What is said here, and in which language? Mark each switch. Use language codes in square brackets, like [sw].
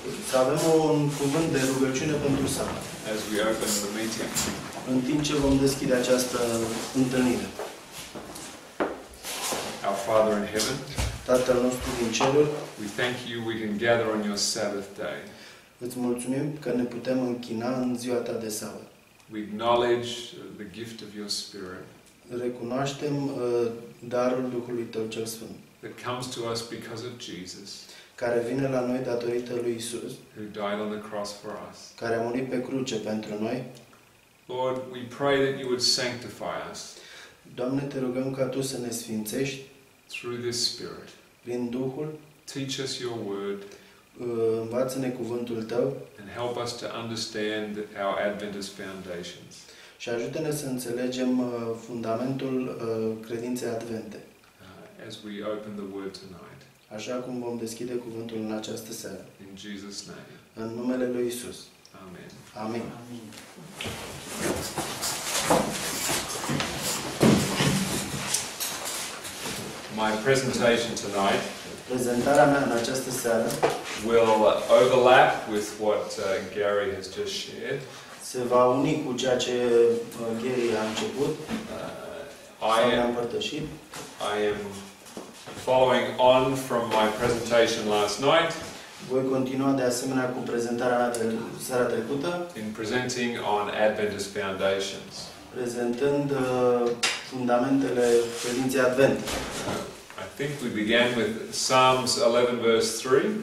[ro] Să avem un cuvânt de rugăciune pentru seara. [en] As we open the meeting. [ro] În timp ce vom deschide această întâlnire. [en] Our Father in heaven. [ro] Tatăl nostru din ceruri. [en] We thank you we can gather on your Sabbath day. [ro] Îți mulțumim că ne putem închina în ziua ta de sâmbătă. [en] We acknowledge the gift of your Spirit. [ro] Recunoaștem darul Duhului tău cel sfânt. [en] That comes to us because of Jesus. [ro] Care vine la noi datorită lui Isus. [en] Who died on the cross for us. [ro] Care a murit pe cruce pentru noi. [en] Lord, we pray that you would sanctify us. [ro] Doamne, te rugăm ca tu să ne sfințești. [en] Through this Spirit. [ro] Prin Duhul. [en] Teach us your word. [ro] Învață-ne cuvântul tău. [en] And help us to understand our Adventist foundations. [ro] Și ajută-ne să înțelegem fundamentul credinței advente. [en] As we open the word tonight. [ro] Așa cum vom deschide cuvântul în această seară. [en] In Jesus name. [ro] În numele lui Isus. [en] Amen. [ro] Amen. [en] My presentation tonight. [ro] Prezentarea mea în această seară [en] will overlap with what Gary has just shared. [ro] Se va uni cu ceea ce Gary a început. [en] I am following on from my presentation last night. [ro] Voi continua de asemenea cu prezentarea mea de seara trecută. [en] In presenting on Adventist foundations. [ro] Prezentând fundamentele credinței advent. [en] I think we began with Psalms 11 verse 3.